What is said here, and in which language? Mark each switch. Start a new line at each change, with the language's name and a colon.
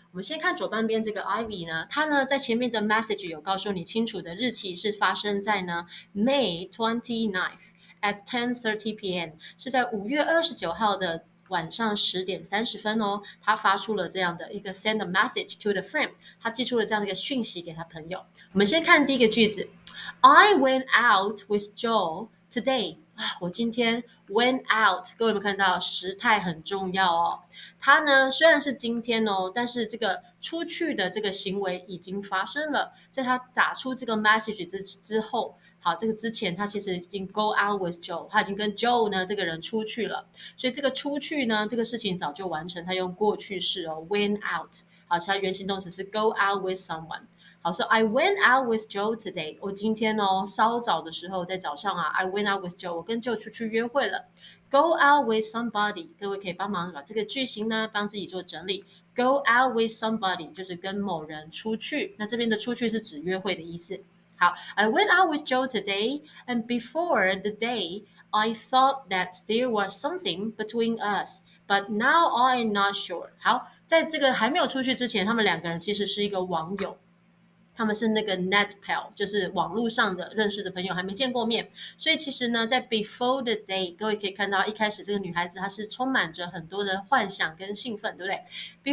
Chinese: 我们先看左半边这个 Ivy 呢，她呢在前面的 message 有告诉你清楚的日期是发生在呢 May 29th at 10:30 p.m. 是在五月二十九号的晚上十点三十分哦，他发出了这样的一个 send a message to the friend，他寄出了这样的一个讯息给他朋友。
English: 我们先看第一个句子，I went out with Joe today。
Chinese: 我今天 went out，各位有没有看到时态很重要哦？他呢虽然是今天哦，但是这个出去的这个行为已经发生了，在他打出这个 message 之后。好，这个之前他其实已经 go out with Joe，他已经跟 Joe 呢这个人出去了，所以这个出去呢这个事情早就完成，他用过去式哦 went out。好，其他原型动词是 go out with someone。好，所以 I went out with Joe today，我今天哦稍早的时候在早上啊 I went out with Joe，我跟 Joe 出去约会了。 go out with somebody，各位可以帮忙把这个句型呢帮自己做整理。 go out with somebody 就是跟某人出去，那这边的出去是指约会的意思。
English: 好， I went out with Joe today, and before the day, I thought that there was something between us, but now I'm not sure.
Chinese: 好，在这个还没有出去之前，他们两个人其实是一个网友，他们是那个 net pal，就是网络上的认识的朋友，还没见过面。所以其实呢，在 before the day，各位可以看到一开始这个女孩子她是充满着很多的幻想跟兴奋，对不对？